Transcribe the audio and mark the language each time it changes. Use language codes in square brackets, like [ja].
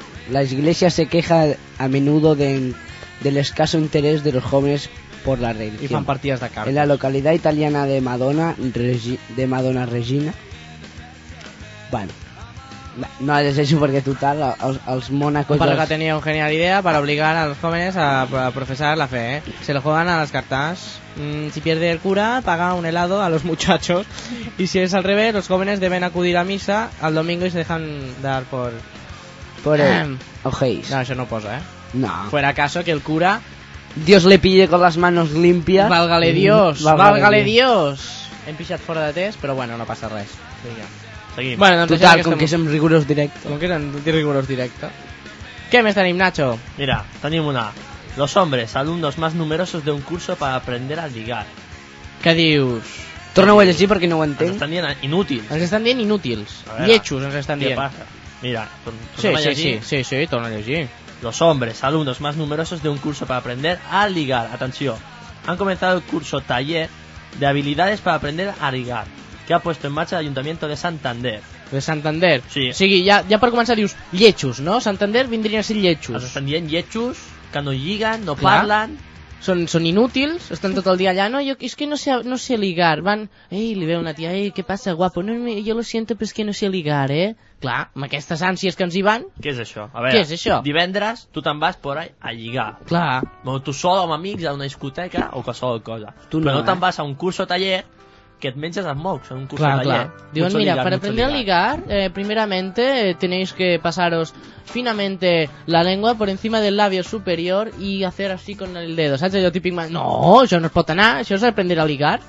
[es] La iglesia se queja a menudo del escaso interés de los jóvenes por la religión. [ca] Y fan partidas de cartas. [es] En la localidad italiana de Madonna Regina. Bueno. No ha de ser eso porque total els monacos... Un padre que tenía una genial idea para obligar a los jóvenes a profesar la fe, ¿eh? Se lo juegan a las cartas. Si pierde el cura, paga un helado a los muchachos. Y si es al revés, los jóvenes deben acudir a misa al domingo y se dejan dar por... Por el... Ojeis. No, eso no posa, ¿eh? No. Fuera caso que el cura Dios le pille con las manos limpias. Válgale Dios, válgale Dios. [ca] Hem pixat fora de test, però bueno, no passa res. Vinga, seguim. Bueno, doncs total, com que som rigorós directe. Com que som rigorós directe. Què més tenim, Nacho? Mira, tenim una. [es] Los hombres, alumnos más numerosos de un curso para aprender a ligar. [ca] Què dius? Torna-ho a llegir perquè no ho entenc. Ens estan dient inútils. Ens estan dient inútils. Lletjos ens estan dient. Què passa? Mira, torna a llegir. Sí, torna a llegir. [es] Los hombres, alumnos más numerosos de un curso para aprender a ligar. Atención, han comenzado el curso taller de habilidades para aprender a ligar, que ha puesto en marcha el Ayuntamiento de Santander. De Santander. [ca] Sí. O sigui, ja per començar dius lletjos, no? Santander vindrien a ser lletjos. Els estan dient lletjos, que no lliguen, no parlen. Són inútils, estan tot el dia allà. No, jo és que no sé ligar. Van, ei, li ve una tia, ei, què passa, guapo? No, jo [es] lo siento, [ca] però és que no sé ligar, eh? Clar, amb aquestes ànsies que ens hi van... Què és això? A veure, què és això? Divendres tu te'n vas [es] por ahí [ca] a lligar. Clar. Bueno, tu sol amb amics a una discoteca o qualsevol cosa. Tu però no, no te'n eh? Vas a un curso taller que et menges els mocs en un curso clar, taller. Clar. Diuen, mira, per aprendre a ligar, [es] primeramente tenéis que pasaros finamente la lengua por encima del labio superior y hacer así con el dedo. [ca] Saps allò típic? No, això no es pot anar, això és aprendre a ligar.